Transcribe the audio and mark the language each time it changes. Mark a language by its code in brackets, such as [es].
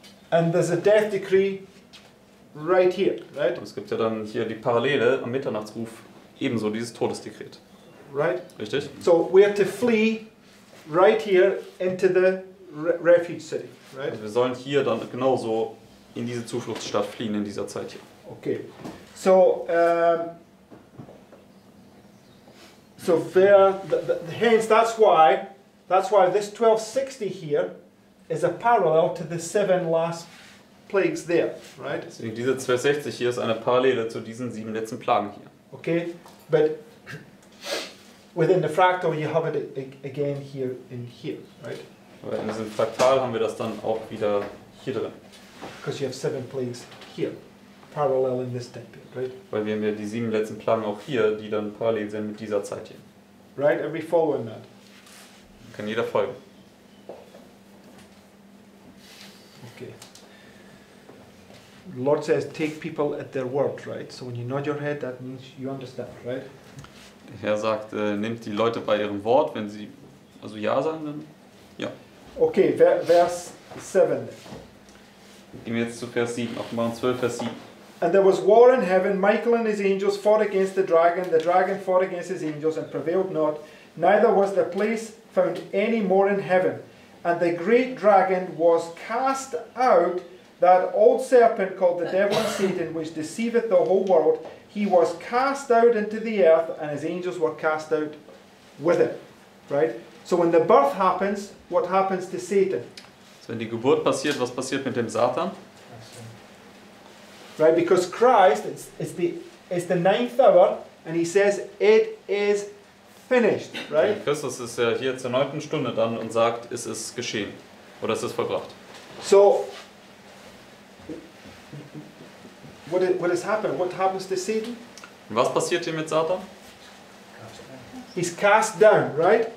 [en] And there's a death decree right here, right? [de] Und es gibt ja dann hier die Parallele am Mitternachtsruf, ebenso dieses Todesdekret. [en] Right? [de] Richtig. [en] So we have to flee right here into the refuge city, right? [de] Also wir sollen hier dann genauso in diese Zufluchtsstadt fliehen in dieser Zeit hier. [en] Okay. So so there, hence that's why this 1260 here is a parallel to the seven last plagues there, right? [de] Deswegen diese 1260 hier ist eine Parallele zu diesen sieben letzten Plagen hier. [en] Okay, but within the fractal you have it again here in here, right? [de] Aber in diesem Fraktal haben wir das dann auch wieder hier drin. [en] Because you have seven plagues here, parallel in this time period, right? [de] Weil wir haben ja die sieben letzten Plagen auch hier, die dann parallel sind mit dieser Zeit hier. [en] Right, every following that. [de] Kann jeder folgen. [en] The Lord says, take people at their word, right? So when you nod your head, that means you understand, right? [de] Der Herr sagt, nehmt die Leute bei ihrem Wort, wenn sie also ja sagen, dann ja. [en] Okay, [de] Vers 7. Gehen wir jetzt zu Vers 7, Offenbarung 12, Vers 7. [en] And there was war in heaven, Michael and his angels fought against the dragon fought against his angels and prevailed not, neither was the place found any more in heaven. And the great dragon was cast out, that old serpent called the devil and Satan, which deceiveth the whole world, he was cast out into the earth, and his angels were cast out with him. Right? So when the birth happens, what happens to Satan? [de] So wenn die Geburt passiert, was passiert mit dem Satan? [en] Right, because Christ, it's the ninth hour, and he says, it is finished. Right? [de] Christus ist ja hier zur neunten Stunde dann und sagt, es ist geschehen, oder es ist vollbracht. [en] So, what has happened? What happens to Satan? [de] Was passiert hier mit Satan? [en] He's cast down, right?